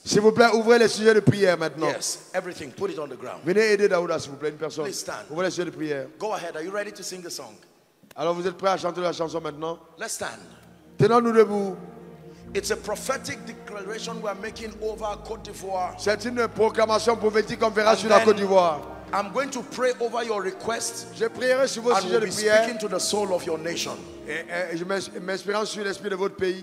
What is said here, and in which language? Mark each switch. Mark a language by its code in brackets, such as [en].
[fr] S'il vous plaît, ouvrez les sujets de prière maintenant. [en] Yes, everything. Put it on the ground. [fr] Venez aider Daouda, s'il vous plaît, une personne. [en] Please stand. [fr] Ouvrez les sujets de prière. [en] Go ahead. Are you ready to sing a song? [fr] Alors, vous êtes prêt à chanter la chanson maintenant? [en] Let's stand. [fr] Tenons-nous debout. [en] It's a prophetic declaration we are making over Côte d'Ivoire. [fr] C'est une proclamation prophétique qu'on verra sur la Côte d'Ivoire. [en] I'm going to pray over your requests. [fr] Je prierai sur vos [en] and [fr] sujets [en] we'll [fr] de prière. [en] Speaking to the soul of your nation. [fr] Et je m'inspire sur l'esprit de votre pays.